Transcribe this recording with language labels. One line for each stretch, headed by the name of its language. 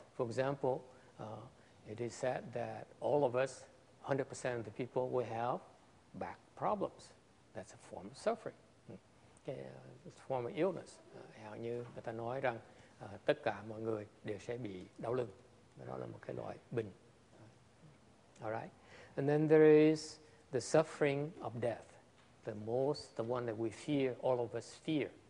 English: For example, it is said that all of us, 100% of the people, will have back problems. That's a form of suffering. It's a form of illness.
Vietnamese: Hầu như người ta nói rằng tất cả mọi người đều sẽ bị đau lưng. Đó là một cái loại bệnh. All right.
English: And then there is the suffering of death. The one that we fear, all of us fear.